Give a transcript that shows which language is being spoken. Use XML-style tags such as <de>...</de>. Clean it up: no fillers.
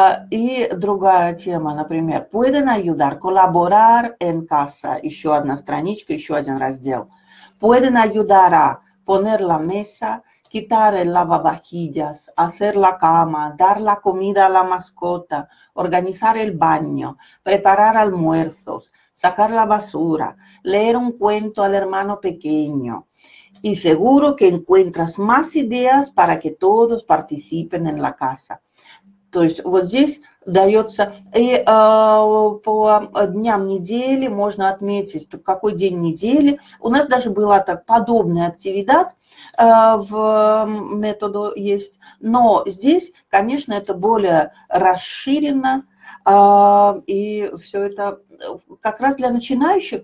<ru>И другая тема, например, «Pueden ayudar colaborar en casa», еще одна страничка, еще один раздел.</ru> <es>«Pueden ayudar a poner la mesa», «Quitar el lavavajillas», «Hacer la cama», «Dar la comida a la mascota», «Organizar el baño», «Preparar almuerzos», «Sacar la basura», «Leer un cuento al hermano pequeño». «Y seguro que encuentras más ideas para que todos participen en la casa».</es> <ru>То есть вот здесь дается, и по дням недели можно отметить, какой день недели. У нас даже была так подобная активидад в методу есть. Но здесь, конечно, это более расширено, и все это как раз для начинающих.</ru>